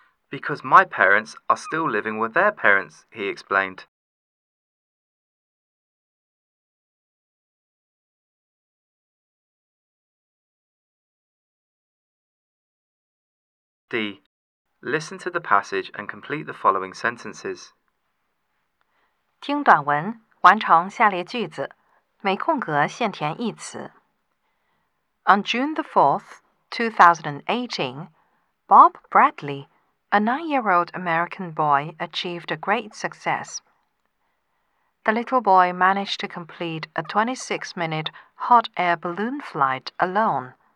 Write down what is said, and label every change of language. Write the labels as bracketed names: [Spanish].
[English] Because my parents are still living with their parents, he explained. D. Listen to the passage and complete the following sentences. [Chinese] 听短文，完成下列句子，没空格现填一词。 [English] On June the 4th, 2018, Bob Bradley, a 9-year-old American boy, achieved a great success. The little boy managed to complete a 26-minute hot air balloon flight alone.